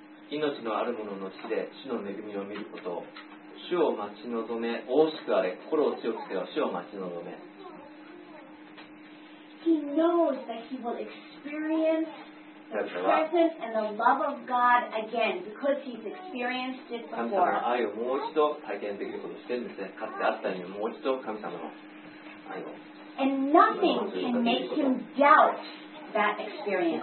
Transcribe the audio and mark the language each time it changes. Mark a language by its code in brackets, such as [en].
[ja] 命のある者の地で主の恵みを見ることを。主を待ち望め、大きくあれ、心を強くせよ、主を待ち望め。 [en] He knows that he will experience the presence and the love of God again because he's experienced it before. [ja] 神様の愛をもう一度体験できることをしてるんですね。かつてあったようにもう一度神様の愛を。 [en] And nothing can make him doubt that experience.